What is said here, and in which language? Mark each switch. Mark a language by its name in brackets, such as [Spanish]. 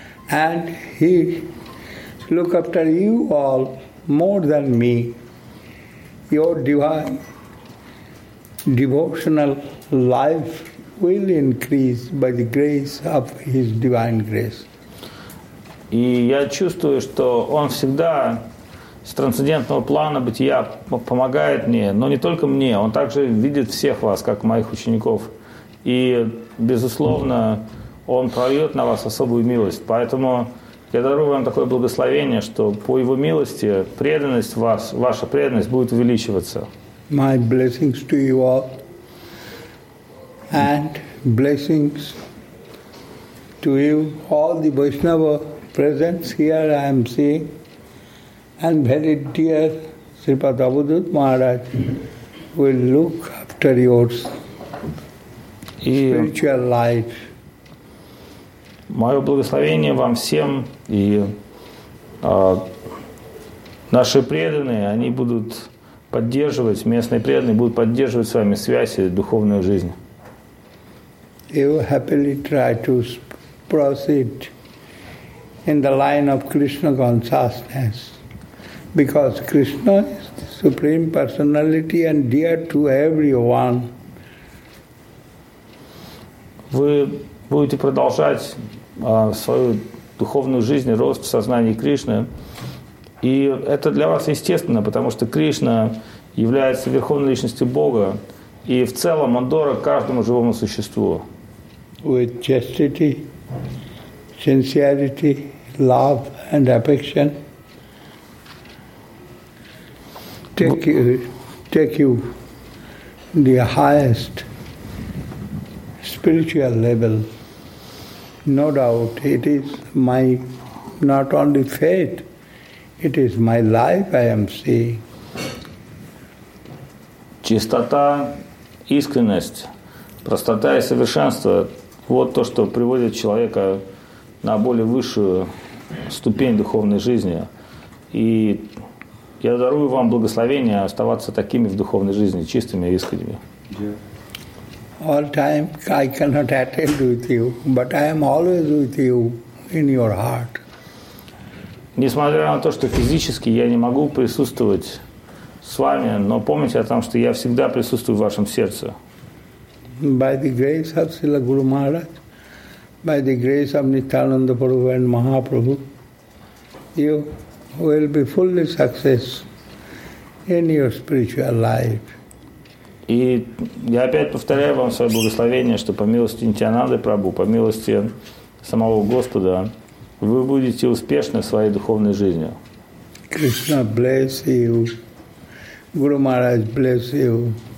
[English] And he look after you all more than me. Your divine devotional life will increase by the grace of his divine grace. [Russian] И я чувствую, что он всегда с трансцендентного плана бытия помогает мне, но не только мне, он также видит всех вас, как моих учеников. И, безусловно, он прольет на вас особую милость. Поэтому я дарую вам такое благословение, что по его милости преданность вас, ваша преданность будет увеличиваться. [English] My blessings to you all. And blessings to you, all the Vaishnava presents here I am seeing, and very dear Sripada Avadhut Maharaj will look after yours. spiritual life. [Russian] Мое благословение вам всем, и наши преданные, они будут поддерживать, местные преданные будут поддерживать с вами связь и духовную жизнь. [English] You happily try to proceed in the line of Krishna consciousness, because Krishna is the supreme personality and dear to everyone. [Russian] Вы будете продолжать свою духовную жизнь и рост в сознании Кришны. И это для вас естественно, потому что Кришна является Верховной Личностью Бога, и в целом Он дорог каждому живому существу. [English] With chastity, sincerity, love and affection, take you the highest spiritual level. No doubt, it is my, not only faith, it is my life I am seeing. [Russian] Чистота, искренность, простота и совершенство – вот то, что приводит человека на более высшую ступень духовной жизни. И я дарую вам благословение оставаться такими в духовной жизни, чистыми и искренними. [English] All time I cannot attend with you, but I am always with you in your heart. [Russian] Несмотря на то, что физически я не могу присутствовать с вами, но помните о том, что я всегда присутствую в вашем сердце. [English] By the grace of Srila Guru Maharaj, by the grace of Nityananda Prabhu and Mahaprabhu, you will be fully successful in your spiritual life. [Russian] И я опять повторяю вам свое благословение, что по милости Нитянанды Прабху, по милости самого Господа, вы будете успешны в своей духовной жизни. [English] Krishna bless you. Guru Maharaj bless you.